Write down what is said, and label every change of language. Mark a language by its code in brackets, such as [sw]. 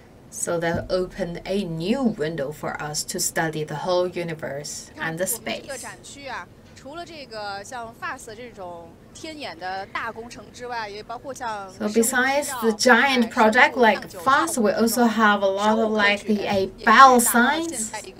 [en] So that open a new window for us to study the whole universe and the space. [zh] 除了这个像 FAST 这种天眼的大工程之外，也包括像 [en] So besides the giant project like FAST, we also have a lot of like the a bell science.